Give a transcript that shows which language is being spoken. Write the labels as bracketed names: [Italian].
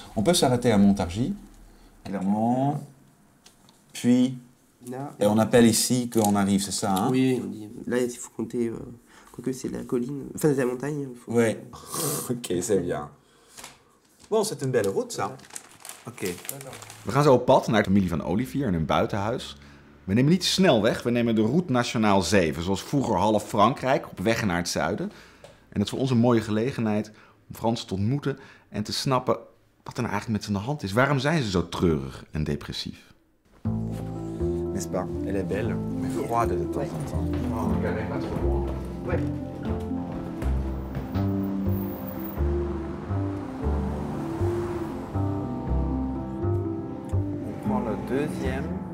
[French] On peut s'arrêter à Montargis, clairement. Puis, là, et on appelle ici qu'on arrive, c'est ça, hein? Oui, on dit. Là, il faut compter. Quoique c'est la colline. Enfin, c'est la montagne. Faut... Ouais. Ok, c'est bien. Bon, c'est une belle route, ça. Ok. [Dutch] We gaan zo op pad naar de familie van Olivier in hun buitenhuis. We nemen niet snel weg, we nemen de route nationaal 7, zoals vroeger half Frankrijk, op weg naar het zuiden. En dat is voor ons een mooie gelegenheid om Fransen te ontmoeten en te snappen wat er nou eigenlijk met ze aan de hand is. Waarom zijn ze zo treurig en depressief? [French] N'est-ce pas? Elle est belle, mais froide de temps en temps. On prend le deuxième.